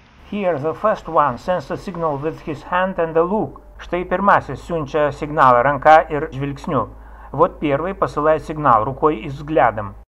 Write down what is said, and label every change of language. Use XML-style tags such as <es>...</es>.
<en>Here the first one sends a signal with his hand and a look.</en> <lt>Štai pirmasis siunčia signalą ranka ir žvilgsniu.</lt> <ru>Вот первый посылает сигнал рукой и взглядом.</ru>